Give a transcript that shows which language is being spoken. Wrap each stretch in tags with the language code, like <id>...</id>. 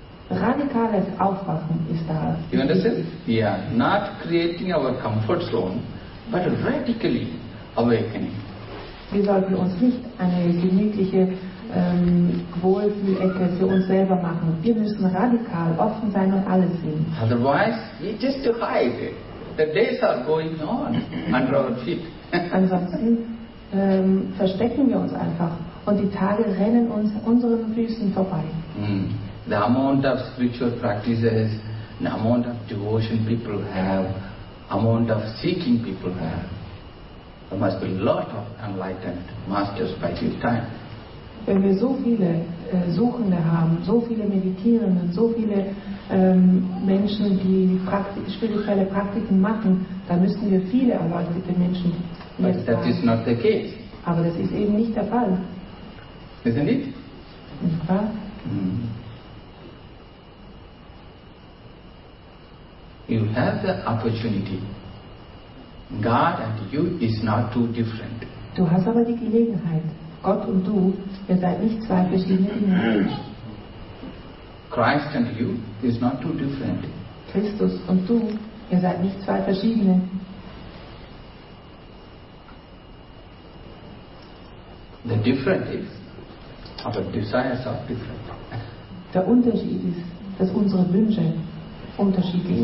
<de>Radikales Aufwachen ist da.</de> <en>You understand? Yeah, not creating our comfort zone, but radically awakening.</en> <de>Wir sollten uns nicht eine gemütliche Wohlfühlecke für uns selber machen. Wir müssen radikal offen sein und alles sehen.</de> <en>Otherwise, we just hide. The days are going on under our feet.</en> <de>Ansonsten verstecken wir uns einfach und die Tage rennen uns unseren Füßen vorbei.</de> <en>The amount of spiritual practices, the amount of devotion people have, amount of seeking people have, there must be a lot of enlightened masters by this time.</en> <de>Wenn wir so viele Suchende haben, so viele Meditierende, so viele Menschen, die spirituelle Praktiken machen, dann müssten wir viele erleuchtete Menschen haben.</de> <en>But that is not the case.</en> <de>Aber das ist eben nicht der Fall.</de> <en>Isn't it?</en> <de>Nicht wahr?</de> <en>You have the opportunity. God and you is not too different.</en> <de>Du hast aber die Gelegenheit. Gott und du, ihr seid nicht zwei verschiedene Menschen.</de> <en>Christ and you is not too different.</en> <de>Christus und du, ihr seid nicht zwei verschiedene.</de> <en>The difference is our desires are different.</en> <de>Der Unterschied ist, dass unsere Wünsche unterschiedlich sind.</de>